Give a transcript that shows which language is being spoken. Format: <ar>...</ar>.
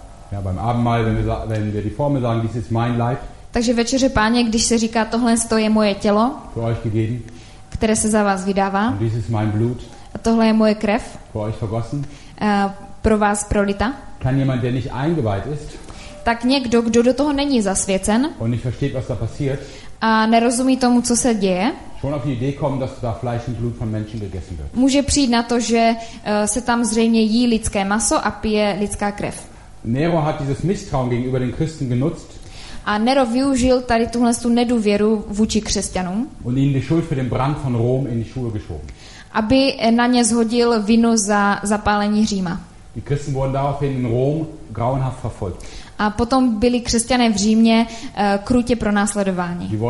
<de>Ja, beim Abendmahl, wenn wir die Formel sagen, dies ist mein Leib.</de> <cs>Takže večeře páně, když se říká tohle je moje tělo.</cs> <de>Für euch gegeben.</de> <cs>Které se za vás vydává.</cs> <de>Und dies ist mein Blut.</de> <cs>A tohle je moje krev.</cs> <de>Für euch vergossen.</de> <cs>Pro vás prolita.</cs> <de>Kann jemand, der nicht eingeweiht ist.</de> <cs>Tak někdo, kdo do toho není zasvěcen.</cs> <de>Und nicht versteht, was da passiert.</de> <cs>A nerozumí tomu, co se děje.</cs> <de>Schon auf die Idee kommen, dass da Fleisch und Blut von Menschen gegessen wird.</de> <cs>Může přijít na to, že se tam zřejmě jí lidské maso a pije lidská krev.</cs> <de>Nero hat dieses Misstrauen gegenüber den Christen genutzt.</de> <cs>A Nero využil tady tuhle nedůvěru vůči křesťanům.</cs> <de>Und ihnen die Schuld für den Brand von Rom in die Schuhe geschoben.</de> <cs>Aby na ně zhodil vinu za zapálení Říma.</cs> <de>Die Christen wurden daraufhin in Rom grauenhaft verfolgt.</de> <cs>A potom byli křesťané v Římě krutě pronásledováni.</cs>